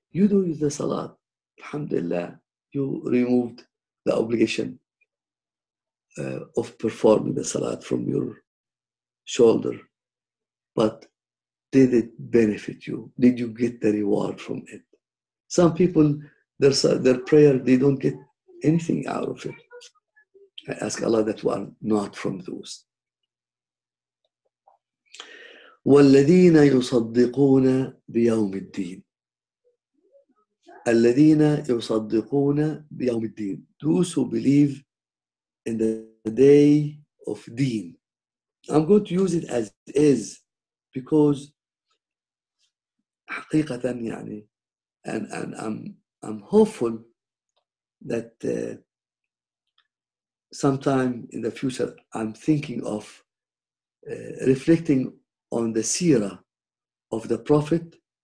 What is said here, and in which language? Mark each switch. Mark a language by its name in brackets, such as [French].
[English] you do the salat, alhamdulillah, you removed the obligation of performing the salat from your shoulder. But did it benefit you? Did you get the reward from it? Some people, their prayer, they don't get anything out of it. I ask Allah that one, not from those. [Arabic] والذين يصدقون بيوم الدين. الذين يصدقون بيوم الدين. [English] Those who believe in the day of Deen. I'm going to use it as it is because [Arabic] حقيقة يعني [English] and I'm hopeful that sometime in the future I'm thinking of reflecting on the seerah of the Prophet.